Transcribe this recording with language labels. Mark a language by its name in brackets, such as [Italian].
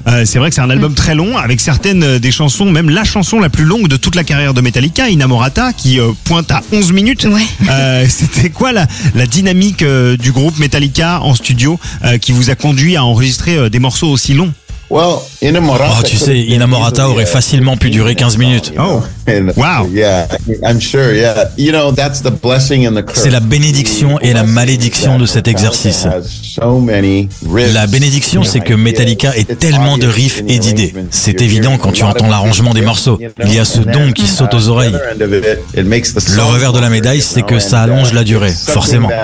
[French] C'est vrai que c'est un album très long, avec certaines des chansons, même la chanson la plus longue de toute la carrière de Metallica, Inamorata, qui pointe à 11 minutes. Ouais. C'était quoi la dynamique du groupe Metallica en studio qui vous a conduit à enregistrer des morceaux aussi longs? Oh, tu sais, Inamorata aurait facilement pu durer 15 minutes. Oh, wow. [English] Yeah, I'm sure. Yeah, you know, that's the blessing and the curse. [French] C'est la bénédiction et la malédiction de cet exercice. La bénédiction, c'est que Metallica ait tellement de riffs et d'idées. C'est évident quand tu entends l'arrangement des morceaux. Il y a ce don qui saute aux oreilles. Le revers de la médaille, c'est que ça allonge la durée, forcément.